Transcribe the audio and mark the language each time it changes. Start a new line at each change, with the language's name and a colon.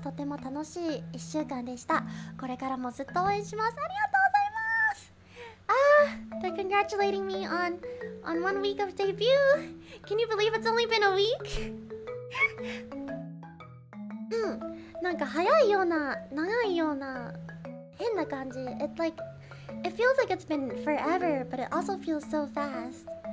Japanese: とても楽しい1週間でした。これからもずっと応援します。ありがとうございます。
English: They're congratulating me on 1 week of debut. Can you believe it's only been a week?
Japanese: なんか早いような、長いような、変な感じ。
English: It's like, it feels like it's been forever, but it also feels so fast.